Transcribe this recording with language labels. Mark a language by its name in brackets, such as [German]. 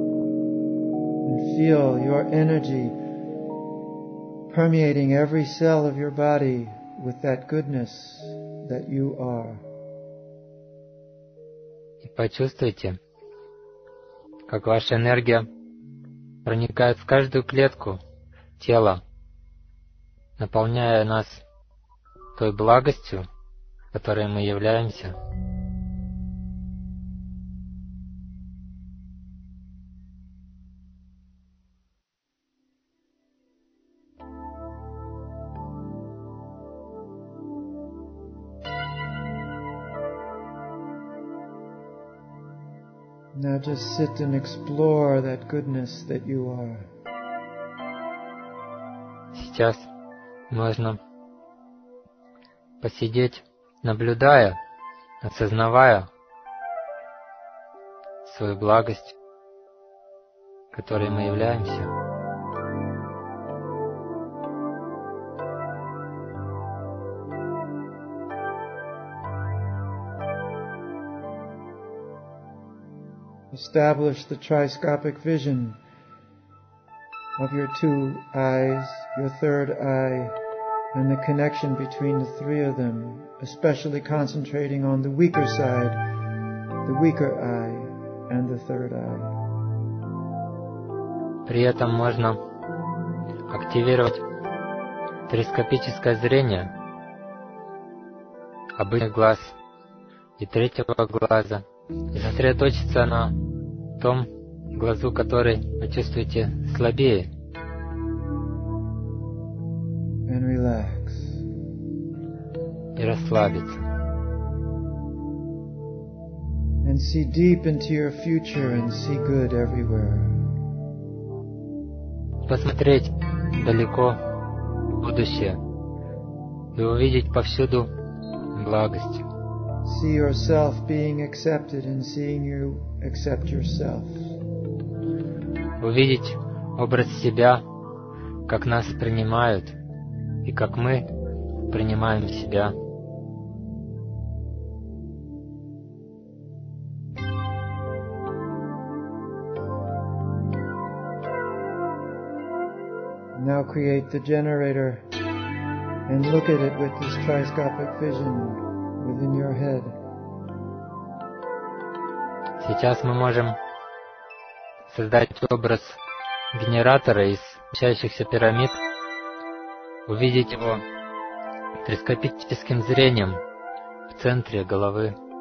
[English] And feel your energy permeating every cell of your body with that goodness that you are. [Russian] И почувствуйте, как ваша энергия проникает в каждую клетку тела, наполняя нас той благостью, которой мы являемся. [English] Now just sit and explore that goodness that you are. [Russian] Сейчас можно посидеть, наблюдая, осознавая свою благость, которой мы являемся. [English] Establish the triscopic vision of your two eyes, your third eye, and the connection between the three of them, especially concentrating on the weaker side, the weaker eye, and the third eye. [Russian] При этом можно активировать трископическое зрение обычных глаз и третьего глаза и сосредоточиться на том глазу, который вы чувствуете слабее. [English] And relax. [Russian] И расслабиться. [English] And see deep into your future and see good everywhere. [Russian] Посмотреть далеко в будущее и увидеть повсюду благость. [English] See yourself being accepted and seeing you accept yourself. [Russian] Увидеть образ себя, как нас принимают, и как мы принимаем себя. [English] Now create the generator and look at it with this triscopic vision within your head. [Russian] Сейчас мы можем создать образ генератора из вращающихся пирамид, увидеть его трископическим зрением в центре головы.